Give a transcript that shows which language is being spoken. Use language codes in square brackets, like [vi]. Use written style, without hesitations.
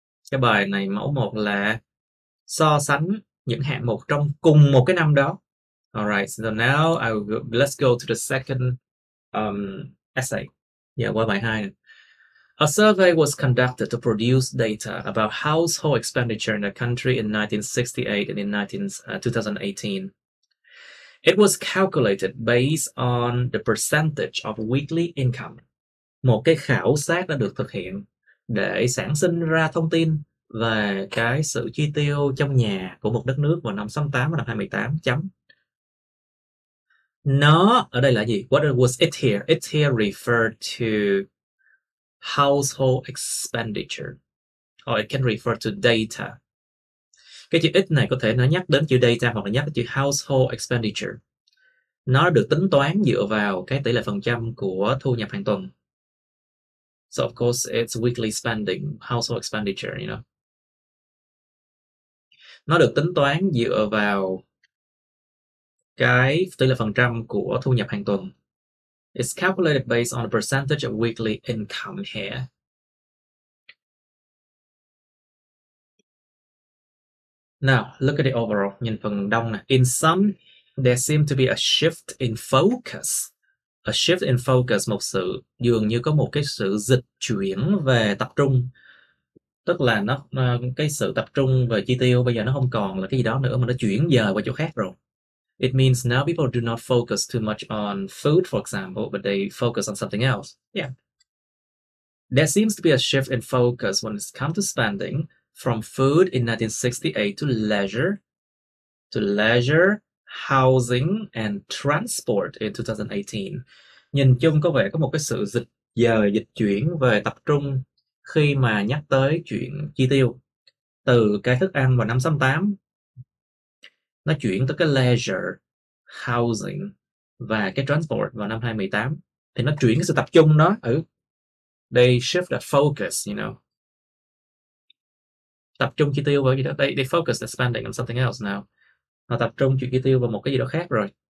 [vi] Cái bài này mẫu một là so sánh những hạng mục trong cùng một cái năm đó. [en] All right, so now let's go to the second essay. [vi] Yeah, qua bài hai. [en] A survey was conducted to produce data about household expenditure in the country in 1968 and in 2018. It was calculated based on the percentage of weekly income. [vi] Một cái khảo sát đã được thực hiện để sản sinh ra thông tin về cái sự chi tiêu trong nhà của một đất nước vào năm 68 và năm 2018. Chấm. Nó ở đây là gì? [en] What was it here? It here referred to household expenditure, or it can refer to data. [vi] Cái chữ ít này có thể nó nhắc đến chữ data hoặc là nhắc đến chữ household expenditure. Nó được tính toán dựa vào cái tỷ lệ phần trăm của thu nhập hàng tuần. [en] So of course it's weekly spending, household expenditure, you know. [vi] Nó được tính toán dựa vào cái tỷ lệ phần trăm của thu nhập hàng tuần. [en] It's calculated based on the percentage of weekly income here. Now, look at the overall. [vi] Nhìn phần đông này. [en] In sum, there seemed to be a shift in focus. A shift in focus, [vi] một sự, dường như có một cái sự dịch chuyển về tập trung. Tức là nó cái sự tập trung về chi tiêu bây giờ nó không còn là cái gì đó nữa mà nó chuyển dời qua chỗ khác rồi. [en] It means now people do not focus too much on food, for example, but they focus on something else. Yeah. There seems to be a shift in focus when it's come to spending from food in 1968 to leisure, housing, and transport in 2018. [vi] Nhìn chung có vẻ có một cái sự dịch dời, dịch chuyển về tập trung khi mà nhắc tới chuyện chi tiêu từ cái thức ăn vào năm 68. Nó chuyển tới cái leisure, housing và cái transport vào năm 2018. Thì nó chuyển cái sự tập trung đó. [en] They shift the focus, you know. [vi] Tập trung chi tiêu vào gì đó. [en] They focus the spending on something else now. [vi] Nó tập trung chi tiêu vào một cái gì đó khác rồi.